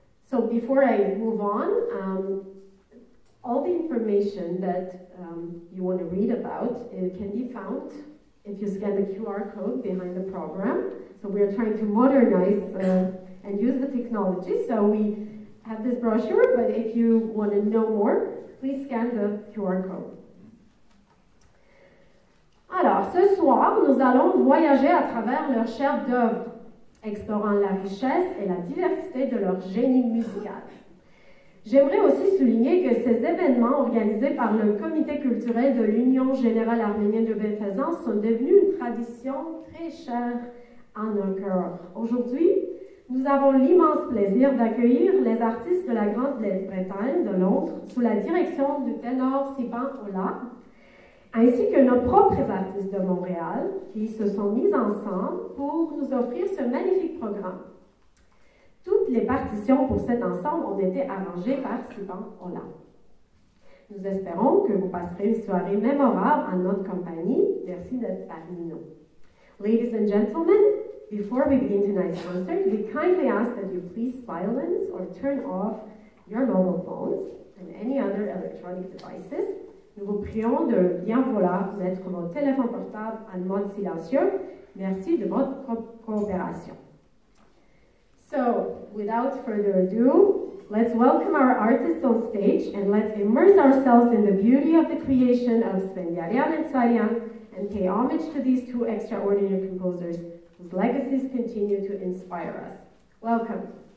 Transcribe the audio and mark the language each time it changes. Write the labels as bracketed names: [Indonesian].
[English] So before I move on, all the information that you want to read about, it can be found if you scan the QR code behind the program. So we are trying to modernize and use the technology. So we have this brochure, but if you want to know more, please scan the QR code. [French] Alors, ce soir, nous allons voyager à travers leur chef d'œuvre, explorant la richesse et la diversité de leur génie musical. J'aimerais aussi souligner que ces événements organisés par le Comité culturel de l'Union générale arménienne de Bienfaisance sont devenus une tradition très chère à nos cœurs. Aujourd'hui, nous avons l'immense plaisir d'accueillir les artistes de la Grande-Bretagne de Londres sous la direction du ténor Sipan Olah, ainsi que nos propres artistes de Montréal qui se sont mis ensemble pour nous offrir ce magnifique programme. Toutes les partitions pour cet ensemble ont été arrangées par Sipan Olah. Nous espérons que vous passerez une soirée mémorable en notre compagnie. Merci d'être parmi nous. [English] Ladies and gentlemen, before we begin tonight's concert, we kindly ask that you please silence or turn off your mobile phones and any other electronic devices. [French] Nous vous prions de bien vouloir mettre vos téléphones portables en mode silencieux. Merci de votre coopération. [English] So, without further ado, let's welcome our artists on stage and let's immerse ourselves in the beauty of the creation of Spendiaryan and Saryan and pay homage to these two extraordinary composers whose legacies continue to inspire us. Welcome.